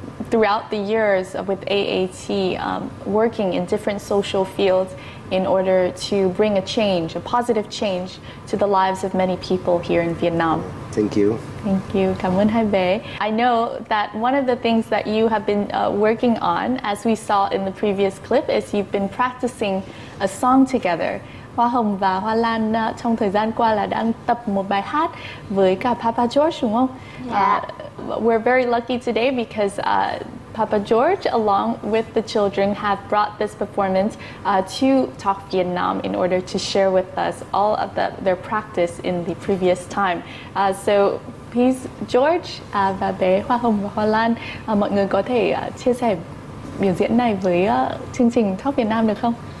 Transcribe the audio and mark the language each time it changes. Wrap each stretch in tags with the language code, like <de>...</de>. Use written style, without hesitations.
<en>Throughout the years with AAT, working in different social fields in order to bring a change, a positive change, to the lives of many people here in Vietnam. Thank you. Thank you.</en> <vi>Cảm ơn hai bé.</vi> <en>I know that one of the things that you have been working on, as we saw in the previous clip, is you've been practicing a song together.</en> <vi>Hoa Hồng và Hoa Lan trong thời gian qua là đang tập một bài hát với cả Papa George, đúng không?</vi> <en>Yeah. We're very lucky today because Papa George, along with the children, have brought this performance to Talk Vietnam in order to share with us all of their practice in the previous time. So please,</en> <vi>George và bé Hoa Hồng và Hoa Lan, mọi người có thể chia sẻ biểu diễn này với chương trình Talk Vietnam được không?</vi>